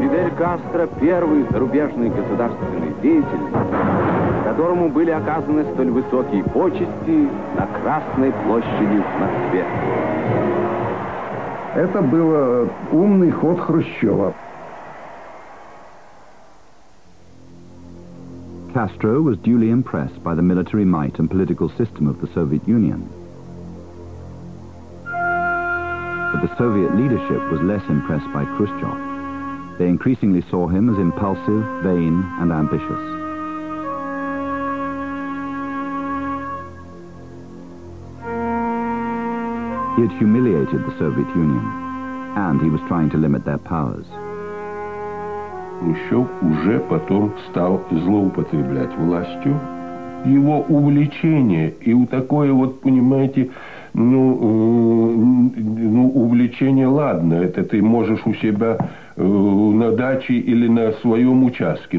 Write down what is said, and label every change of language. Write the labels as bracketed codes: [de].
[ru] Фидель Кастро – первый зарубежный государственный деятель, которому были оказаны столь высокие почести на Красной площади в Москве. Это был умный ход Хрущева. [en] Castro was duly impressed by the military might and political system of the Soviet Union. But the Soviet leadership was less impressed by Khrushchev. They increasingly saw him as impulsive, vain, and ambitious. He had humiliated the Soviet Union, and he was trying to limit their powers. [ru] Хрущев уже потом стал злоупотреблять властью. Его увлечение, и вот такое вот, понимаете, увлечение, ладно, это ты можешь у себя на даче или на своем участке.